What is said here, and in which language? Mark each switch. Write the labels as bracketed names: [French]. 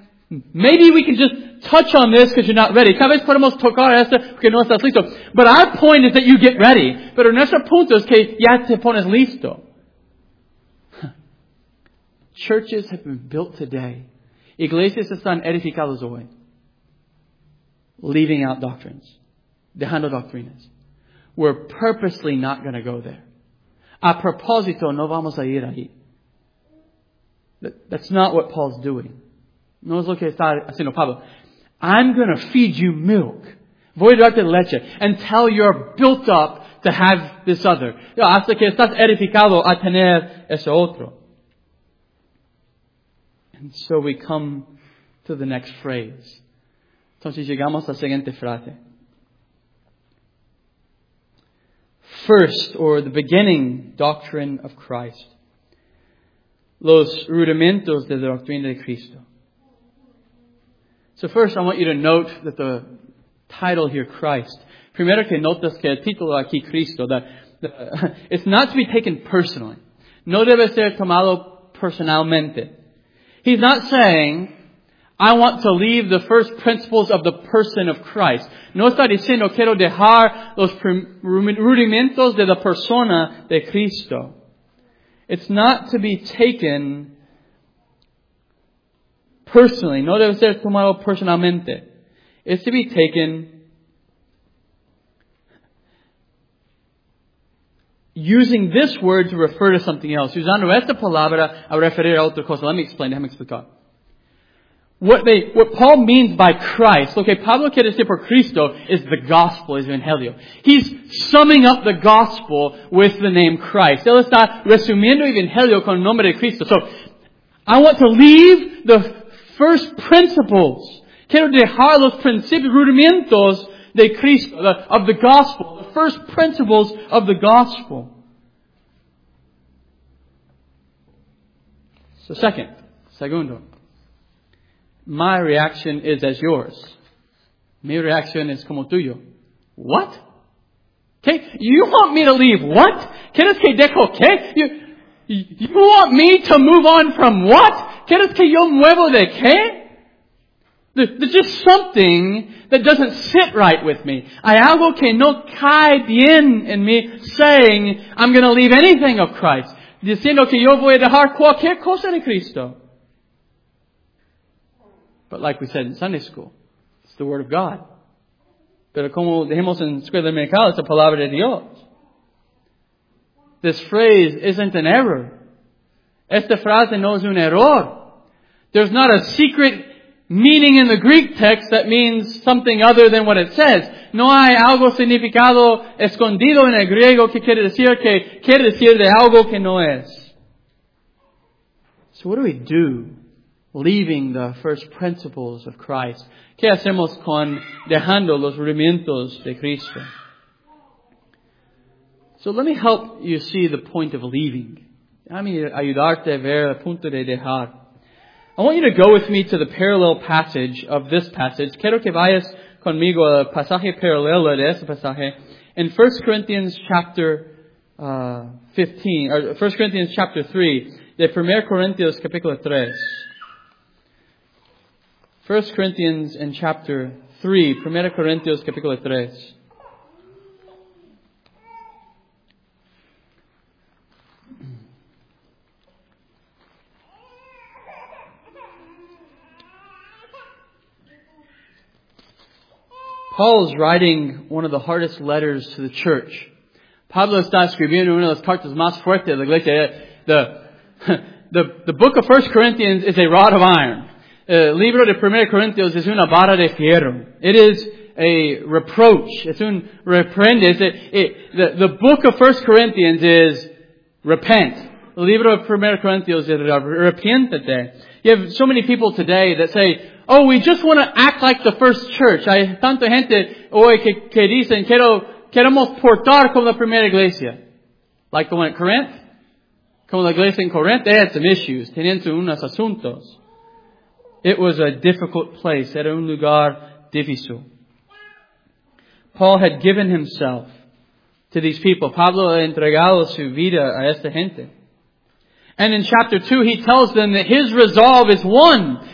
[English] Maybe we can just touch on this because you're not ready. [Spanish] Tal vez podemos tocar esto porque no estás listo. [English] But our point is that you get ready. [Spanish] Pero nuestro punto es que ya te pones listo. [English] Churches have been built today. [Spanish] Iglesias están edificadas hoy. [English] Leaving out doctrines. [Spanish] Dejando doctrinas. [English] We're purposely not going to go there. [Spanish] A propósito, no vamos a ir ahí. [English] That's not what Paul's doing. [Spanish] No es lo que está haciendo Pablo. [English] I'm going to feed you milk. [Spanish] Voy a darte leche. [English] Until you're built up to have this other. [Spanish] Hasta que estás edificado a tener ese otro. [English] And so we come to the next phrase. [Spanish] Entonces llegamos a la siguiente frase. [English] First, or the beginning doctrine of Christ. [Spanish] Los rudimentos de la doctrina de Cristo. [English] So first, I want you to note that the title here, Christ. [Spanish] Primero que notas que el título aquí, Cristo, [English] it's not to be taken personally. [Spanish] No debe ser tomado personalmente. [English] He's not saying, I want to leave the first principles of the person of Christ. [Spanish] No está diciendo, quiero dejar los rudimentos de la persona de Cristo. [English] It's not to be taken personally. [Spanish] No debe ser tomado personalmente. [English] It's to be taken using this word to refer to something else. [Spanish] Usando esta palabra a referir a otra cosa. [English] Let me explain. What Paul means by Christ, [Spanish] lo que Pablo quiere decir por Cristo, [English] is the gospel, is evangelio. He's summing up the gospel with the name Christ. [Spanish] Él está resumiendo evangelio con el nombre de Cristo. [English] So, I want to leave the first principles. [Spanish] Quiero dejar los principios rudimentos de Cristo, [English] of the gospel. First principles of the gospel. So segundo. My reaction is as yours. [Spanish] Mi reacción es como tuyo. [English] What? Okay, you want me to leave what? [Spanish] ¿Quieres que dejo qué? [English] You want me to move on from what? [Spanish] ¿Quieres que yo muevo de qué? [English] There's just something that doesn't sit right with me. [Spanish] Hay algo que no cae bien en mí [English] saying I'm going to leave anything of Christ. [Spanish] Diciendo que yo voy a dejar cualquier cosa de Cristo. [English] But like we said in Sunday school, it's the Word of God. [Spanish] Pero como dijimos en Escuela Dominical, es la Palabra de Dios. [English] This phrase isn't an error. [Spanish] Esta frase no es un error. [English] There's not a secret meaning in the Greek text that means something other than what it says. [Spanish] No hay algo significado escondido en el griego que quiere decir de algo que no es. [English] So what do we do leaving the first principles of Christ? [Spanish] ¿Qué hacemos con dejando los rudimentos de Cristo? [English] So let me help you see the point of leaving. [Spanish] Déjame ayudarte a ver el punto de dejar. [English] I want you to go with me to the parallel passage of this passage. [Spanish] Quiero que vayas conmigo al pasaje paralelo de ese pasaje [English] in 1 Corinthians chapter 15, or 1 Corinthians chapter 3, [Spanish] de 1 Corinthians capítulo 3. [English] 1 Corinthians in chapter 3, 1 Corinthians capítulo 3. Paul is writing one of the hardest letters to the church. [Spanish] Pablo está escribiendo una de las cartas más fuertes de la iglesia. [English] The book of 1 Corinthians is a rod of iron. [Spanish] El libro de 1 Corinthians es una vara de fierro. [English] It is a reproach. [Spanish] Es un reprende. [English] The book of 1 Corinthians is repent. [Spanish] El libro de 1 Corinthians es arrepiéntete. [English] You have so many people today that say, oh, we just want to act like the first church. [Spanish] Hay tanta gente hoy que dicen, queremos portar como la primera iglesia. [English] Like the one at Corinth? [Spanish] Como la iglesia en Corinth? [English] They had some issues. [Spanish] Tenían unos asuntos. [English] It was a difficult place. [Spanish] Era un lugar difícil. [English] Paul had given himself to these people. [Spanish] Pablo ha entregado su vida a esta gente. [English] And in chapter 2, he tells them that his resolve is one.